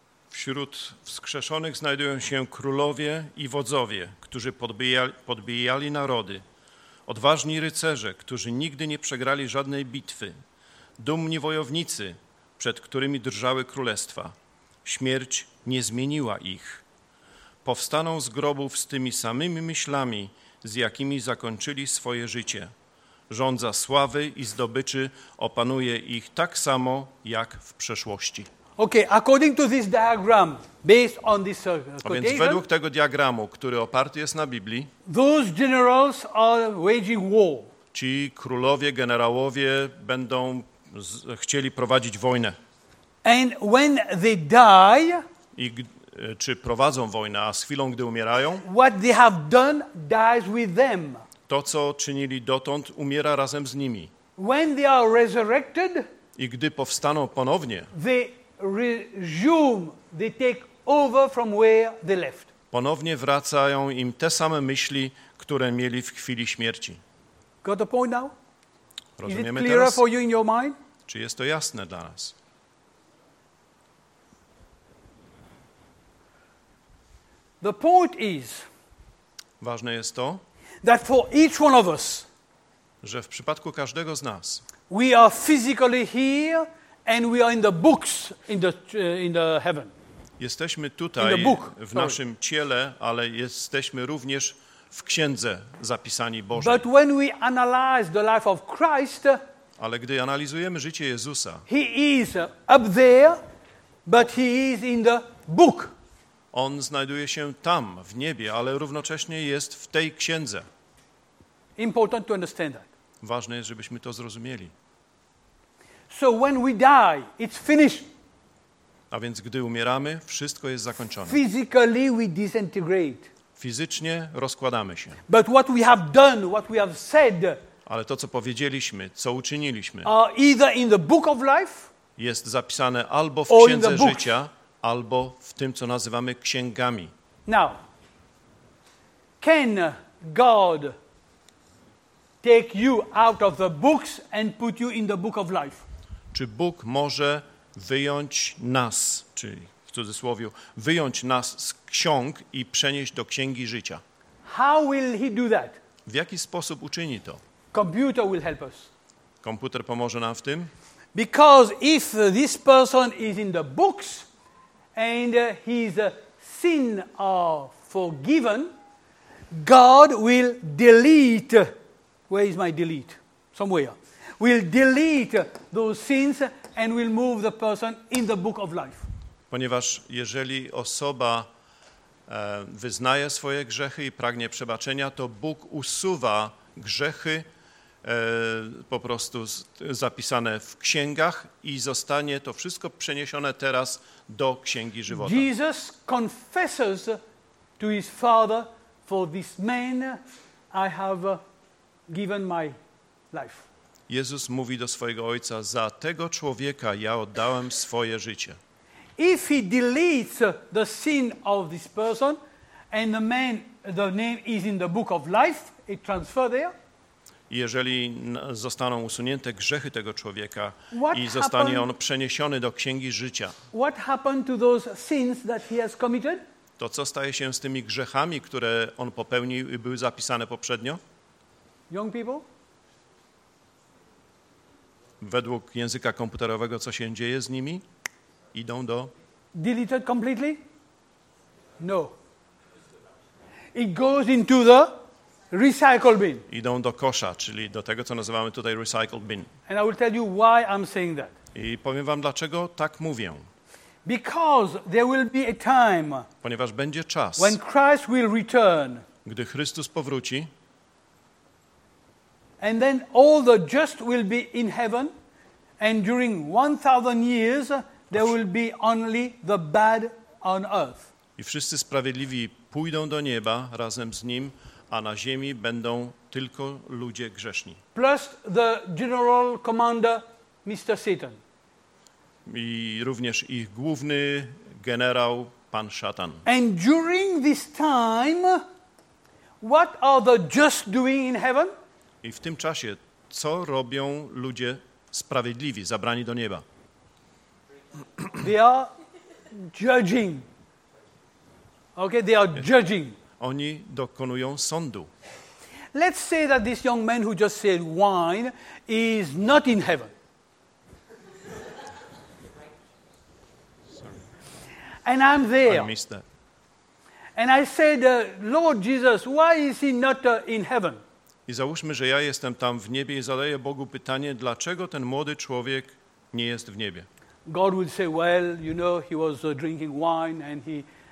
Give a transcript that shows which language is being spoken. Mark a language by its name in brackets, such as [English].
[Polish] Wśród wskrzeszonych znajdują się królowie i wodzowie, którzy podbijali narody, odważni rycerze, którzy nigdy nie przegrali żadnej bitwy, dumni wojownicy, przed którymi drżały królestwa. Śmierć nie zmieniła ich. Powstaną z grobów z tymi samymi myślami, z jakimi zakończyli swoje życie. Rządza sławy i zdobyczy opanuje ich tak samo jak w przeszłości. [English] Okay, according to this diagram, based on this quotation, [Polish] a więc według tego diagramu, który oparty jest na Biblii, [English] those generals are waging war. [Polish] Ci królowie, generałowie będą chcieli prowadzić wojnę. [English] And when they die, [Polish] i czy prowadzą wojnę, a z chwilą, gdy umierają, [English] what they have done dies with them. [Polish] To, co czynili dotąd, umiera razem z nimi. [English] When they are resurrected, [Polish] i gdy powstaną ponownie, [English] they resume, they take over from where they left. [Polish] Ponownie wracają im te same myśli, które mieli w chwili śmierci. [English] Got the point now? [Polish] Rozumiemy [English] is it clearer [Polish] teraz? [English] For you in your mind? [Polish] Czy jest to jasne dla nas? [English] The point is, [Polish] ważne jest to, [English] that for each one of us, [Polish] że w przypadku każdego z nas, [English] we are physically here and we are in the books in the heaven. [Polish] Jesteśmy tutaj [English] in the book, [Polish] w naszym ciele, ale jesteśmy również w księdze zapisani Bożej. [English] But when we analyze the life of Christ, [Polish] ale gdy analizujemy życie Jezusa, [English] he is up there, but he is in the book. [Polish] On znajduje się tam, w niebie, ale równocześnie jest w tej księdze. [English] Important to understand that. [Polish] Ważne jest, żebyśmy to zrozumieli. [English] So when we die, it's finished. [Polish] A więc gdy umieramy, wszystko jest zakończone. [English] Physically we disintegrate. [Polish] Fizycznie rozkładamy się. [English] But what we have done, what we have said, [Polish] ale to, co powiedzieliśmy, co uczyniliśmy, [English] either in the book of life, [Polish] jest zapisane albo w księdze życia, albo w tym, co nazywamy księgami. [English] Now, can God take you out of the books and put you in the book of life? [Polish] Czy Bóg może wyjąć nas, czyli w cudzysłowie, wyjąć nas z ksiąg i przenieść do księgi życia? [English] How will he do that? [Polish] W jaki sposób uczyni to? [English] Computer will help us. [Polish] Komputer pomoże nam w tym? [English] Because if this person is in the books and his sin are forgiven, God will delete. Where is my delete? Somewhere. Will delete those sins and will move the person in the book of life. [Polish] Ponieważ jeżeli osoba wyznaje swoje grzechy i pragnie przebaczenia, to Bóg usuwa grzechy po prostu zapisane w księgach i zostanie to wszystko przeniesione teraz do księgi żywota. [English] Jesus confesses to his father, for this man I have given my life. [Polish] Jezus mówi do swojego ojca, za tego człowieka ja oddałem swoje życie. [English] If he deletes the sin of this person and the man, the name is in the book of life, it transfer there. [Polish] Jeżeli zostaną usunięte grzechy tego człowieka i zostanie on przeniesiony do księgi życia, [English] what happened to those sins that he has committed? [Polish] To co staje się z tymi grzechami, które on popełnił i były zapisane poprzednio? [English] Young people? [Polish] Według języka komputerowego, co się dzieje z nimi? Idą do... [English] Deleted completely? No. It goes into the... recycle bin. [Polish] Idą do kosza, czyli do tego, co nazywamy tutaj recycle bin. [English] And I will tell you why I'm saying that. [Polish] I powiem wam, dlaczego tak mówię. [English] Because there will be a time, [Polish] ponieważ będzie czas, [English] when Christ will return, [Polish] gdy Chrystus powróci, [English] and then all the just will be in heaven, and during 1,000 years there will be only the bad on earth. [Polish] I wszyscy sprawiedliwi pójdą do nieba razem z nim, a na ziemi będą tylko ludzie grzeszni. [English] Plus the general commander, Mr. Satan. [Polish] I również ich główny generał, pan Szatan. [English] And during this time, what are the just doing in heaven? [Polish] I w tym czasie, co robią ludzie sprawiedliwi, zabrani do nieba? [English] They are judging. Okay, they are judging. [Polish] Oni dokonują sądu. [English] Let's say that this young man who just said wine is not in heaven. Sorry. And I'm there. I missed that. And I said, Lord Jesus, why is he not in heaven? [Polish] I załóżmy, że ja jestem tam w niebie i zadaję Bogu pytanie, dlaczego ten młody człowiek nie jest w niebie? [English] God would say, well, you know, he was drinking wine and he...